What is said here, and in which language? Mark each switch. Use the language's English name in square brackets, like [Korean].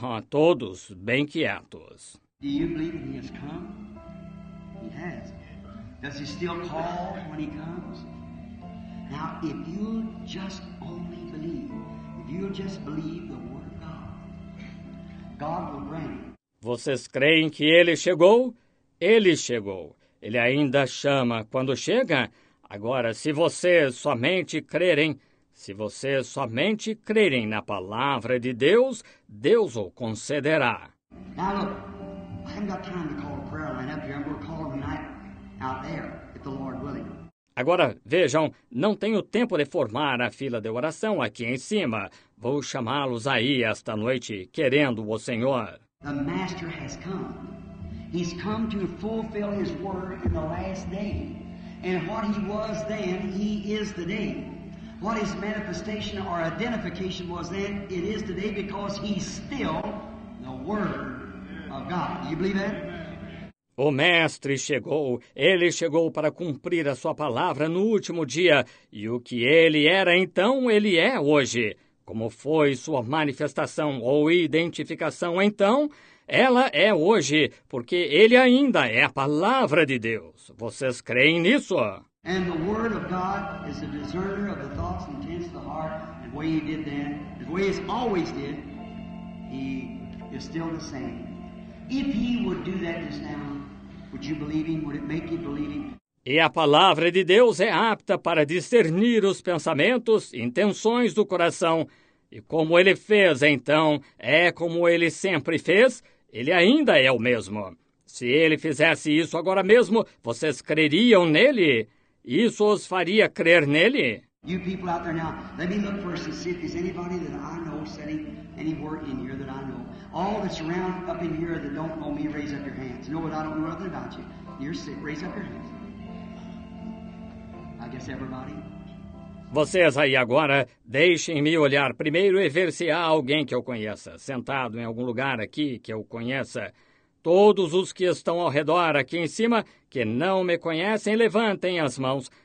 [Portuguese] Todos bem quietos. [English] Do you believe he has come? He has. Does he still call when he comes? Now, if you just only believe, if you just believe the word of God, God will bring it. [Portuguese] Vocês creem que ele chegou? Ele chegou. Ele ainda chama quando chega? Agora, se vocês somente crerem, se vocês somente crerem na palavra de Deus, Deus o concederá. [English] Now look, I haven't got time to call a prayer line up here. I'm going to call them tonight out there, if the Lord willing. [Portuguese] Agora, vejam, não tenho tempo de formar a fila de oração aqui em cima. Vou chamá-los aí esta noite, querendo o Senhor. [English] The Master has come. He's come to fulfill His word in the last day. And what He was then, He is today. What His manifestation or identification was then, it is today because He's still the Word of God. Do you believe that? [Portuguese] O Mestre chegou. Ele chegou para cumprir a sua palavra no último dia. E o que Ele era então, Ele é hoje. Como foi sua manifestação ou identificação então, ela é hoje, porque Ele ainda é a palavra de Deus. Vocês creem nisso? [English] And the Word of God is a discerner of the thoughts and intents of the heart, and the way He did then, the way He's always did, He is still the same. If He would do that just now, would you believe Him? Would it make you believe Him? [Portuguese] E a palavra de Deus é apta para discernir os pensamentos, intenções do coração. E como Ele fez, então, é como Ele sempre fez, Ele ainda é o mesmo. Se Ele fizesse isso agora mesmo, vocês creriam nele? Isso os faria crer nele? [English] You people out there now, let me look first and see if there's anybody that I know sitting anywhere in here that I know. All that's around up in here that don't know me, raise up your hands. You know what? I don't know nothing about you. You're sick. Raise up your hands. I guess everybody. [Portuguese] Vocês aí agora, deixem-me olhar primeiro e ver se há alguém que eu conheça, sentado em algum lugar aqui que eu conheça. Todos os que estão ao redor aqui em cima, que não me conhecem, levantem as mãos.